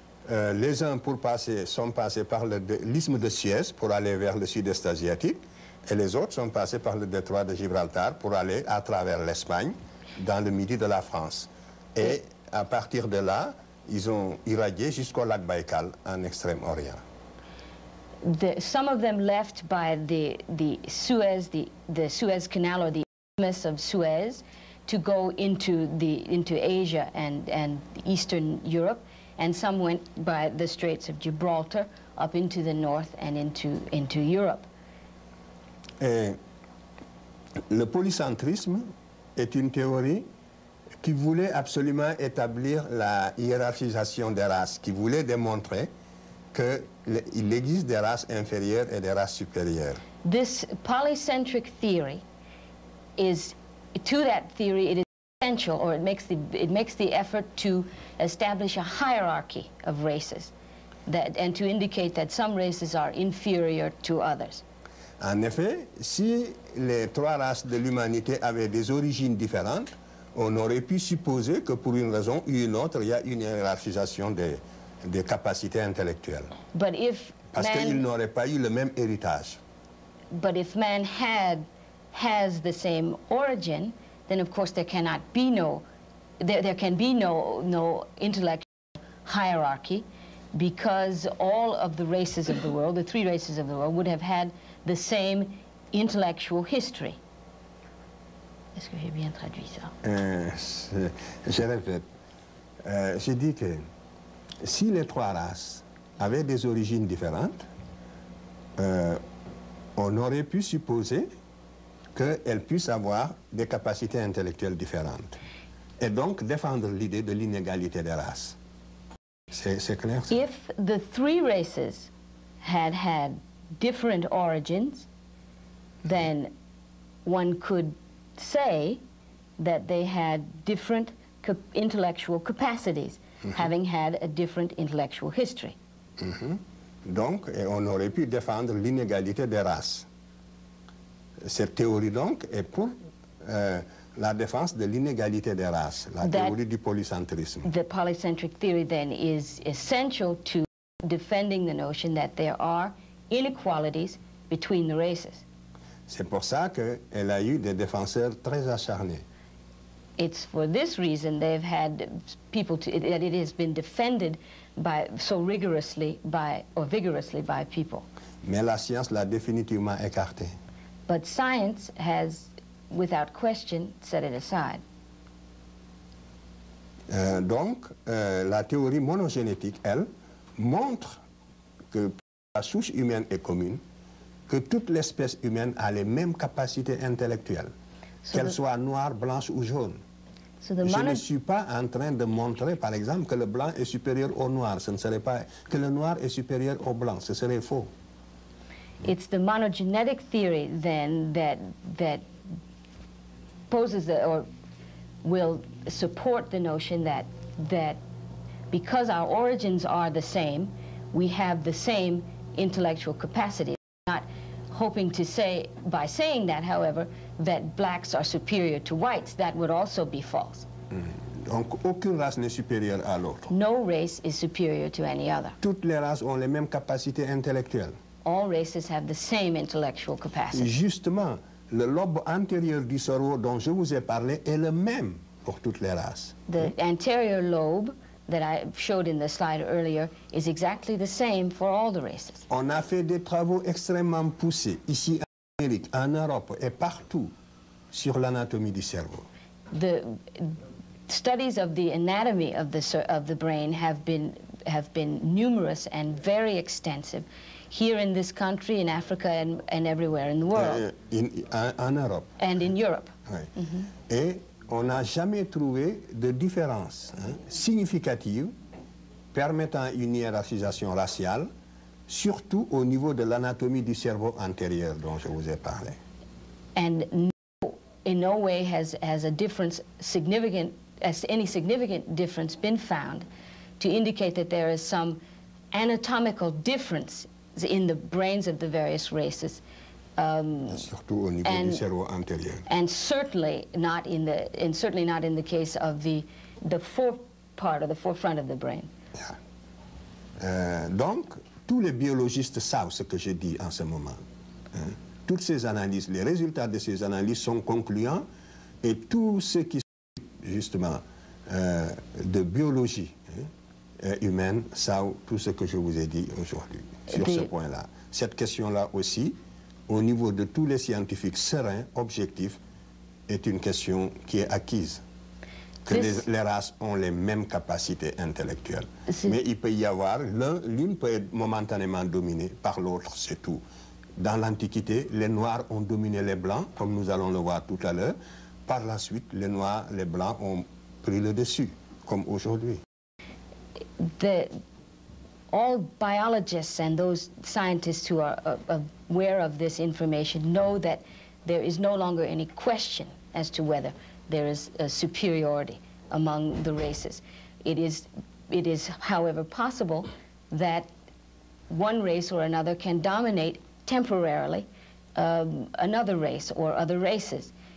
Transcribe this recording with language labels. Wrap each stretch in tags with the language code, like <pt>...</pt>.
<fr>Les uns pour passer, sont passés par l'isthme de Suez pour aller vers le sud-est asiatique. Et les autres sont passés par le détroit de Gibraltar pour aller à travers l'Espagne, dans le midi de la France. Et à partir de là, ils ont irradié jusqu'au lac Baïkal, en Extrême-Orient.</fr> <en>Some of them left by the Suez, the Suez Canal or the Isthmus of Suez, to go into Asia and Eastern Europe, and some went by the Straits of Gibraltar up into the north and into Europe.</en> <fr>Et le polycentrisme est une théorie qui voulait absolument établir la hiérarchisation des races, qui voulait démontrer que il existe des races inférieures et des races supérieures.</fr> <en>This polycentric theory is, to that theory, it is essential, or it makes the effort to establish a hierarchy of races, that and to indicate that some races are inferior to others.</en> <fr>En effet, si les trois races de l'humanité avaient des origines différentes, on aurait pu supposer que pour une raison ou une autre, il y a une hiérarchisation des capacités intellectuelles.</fr> <en>But if</en> <fr>parce qu'ils n'auraient pas eu le même héritage.</fr> <en>But if man has the same origin, then of course there cannot be no intellectual hierarchy, because all of the races of the world, the three races of the world, would have had the same intellectual history.</en> <fr>Est-ce que j'ai bien traduit ça? Je répète. J'ai dit que si les trois races avaient des origines différentes, on aurait pu supposer qu'elles puissent avoir des capacités intellectuelles différentes. Et donc défendre l'idée de l'inégalité des races. C'est clair, ça?</fr> <en>If the three races had had different origins, then one could say that they had different intellectual capacities, mm-hmm. having had a different intellectual history. Mm-hmm.</en> <fr>Donc, et on aurait pu défendre l'inégalité des races. Cette théorie, donc, est pour la défense de l'inégalité des races, la théorie du polycentrisme.</fr> <en>The polycentric theory, then, is essential to defending the notion that there are inequalities between the races.</en> <fr>C'est pour ça qu'elle a eu des défenseurs très acharnés.</fr> <en>It's for this reason they've had people to, that it has been defended by so rigorously by or vigorously by people.</en> <fr>Mais la science l'a définitivement écarté.</fr> <en>But science has, without question, set it aside.</en> <fr>Donc, la théorie monogénétique, elle, montre que la souche humaine est commune, que toute l'espèce humaine a les mêmes capacités intellectuelles, so qu'elle soit noire, blanche ou jaune.</fr> <en>So the</en> <fr>Je ne suis pas en train de montrer, par exemple, que le blanc est supérieur au noir. Ce ne serait pas que le noir est supérieur au blanc. Ce serait faux.</fr> <en>It's the monogenetic theory then that poses the, or will support the notion that because our origins are the same, we have the same intellectual capacity. Not hoping to say, by saying that, however, that blacks are superior to whites, that would also be false.</en> <fr>Donc, aucune race n'est supérieure à l'autre.</fr> <en>No race is superior to any other.</en> <fr>Toutes les races ont les mêmes capacités intellectuelles.</fr> <en>All races have the same intellectual capacity.</en> <fr>Justement, le lobe antérieur du cerveau dont je vous ai parlé est le même pour toutes les races.</fr> <en>The anterior lobe that I showed in the slide earlier is exactly the same for all the races.</en> <fr>On a fait des travaux extrêmement poussés ici en Amérique, en Europe et partout sur l'anatomie du cerveau.</fr> <en>The studies of the anatomy of the brain have been numerous and very extensive here in this country, in Africa, and everywhere in the world.</en> <fr>En Europe.</fr> <en>And in Europe.</en> <fr>Oui. Mm-hmm. On n'a jamais trouvé de différence significative permettant une hiérarchisation raciale, surtout au niveau de l'anatomie du cerveau antérieur dont je vous ai parlé.</fr> <en>And in no way has a difference significant, has any significant difference been found to indicate that there is some anatomical difference in the brains of the various races.</en> <fr>Surtout au niveau du cerveau antérieur.</fr> <en>And certainly not in the case of the forefront of the forefront of the brain. Yeah.</en> <fr>Donc tous les biologistes savent ce que je dis en ce moment. Toutes ces analyses, les résultats de ces analyses sont concluants, et tous ceux qui sont justement de biologie humaine savent tout ce que je vous ai dit aujourd'hui sur ce point-là. Cette question-là aussi, au niveau de tous les scientifiques sereins, objectifs, est une question qui est acquise. Que les races ont les mêmes capacités intellectuelles. Mais il peut y avoir, l'une peut être momentanément dominée par l'autre, c'est tout. Dans l'Antiquité, les Noirs ont dominé les Blancs, comme nous allons le voir tout à l'heure. Par la suite, les Noirs, les Blancs ont pris le dessus, comme aujourd'hui.</fr> <en>All biologists and those scientists who are aware of this information know that there is no longer any question as to whether there is a superiority among the races. It is, however, possible that one race or another can dominate temporarily another race or other races.</en>